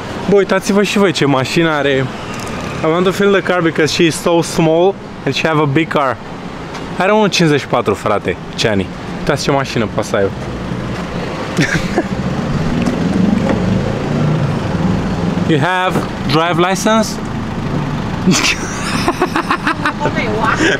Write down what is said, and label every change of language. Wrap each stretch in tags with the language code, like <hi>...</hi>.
<ro>Bă, uitați-vă și voi ce mașină are.</ro> <en>I want to fill the car because she is so small and she have a big car.</en> <ro>Are 1.54, frate, Chani. Uitați ce mașină poate să aibă.</ro> <en>You have drive license? Okay, what?</en>